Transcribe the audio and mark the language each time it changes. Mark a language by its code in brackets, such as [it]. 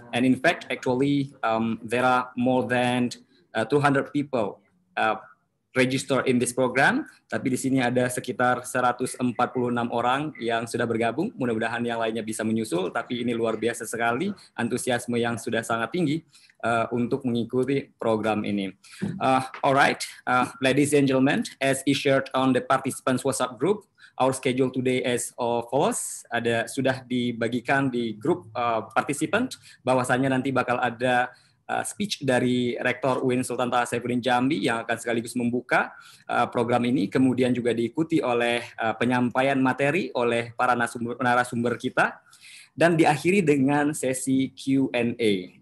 [en] And in fact, actually, there are more than 200 people register in this program, [id] tapi di sini ada sekitar 146 orang yang sudah bergabung. Mudah-mudahan yang lainnya bisa menyusul, tapi ini luar biasa sekali antusiasme yang sudah sangat tinggi untuk mengikuti program ini. [en] Alright, ladies and gentlemen, as is shared on the participants WhatsApp group, our schedule today as follows. [id] Ada sudah dibagikan di grup participant bahwasanya nanti bakal ada speech dari Rektor UIN Sultan Taha Saifuddin Jambi yang akan sekaligus membuka program ini, kemudian juga diikuti oleh penyampaian materi oleh para narasumber kita, dan diakhiri dengan sesi Q&A.